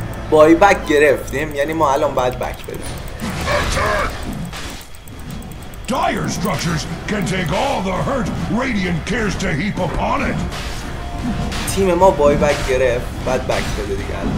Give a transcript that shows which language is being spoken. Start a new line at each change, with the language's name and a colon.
Persian: بای بک گرفتیم، یعنی ما الان باید بک بدیم.
English: Dire structures can take all the hurt radiant cares to heap upon it.
Persian: تیم ما بای بک گرفت، بعد بک بده دیگه.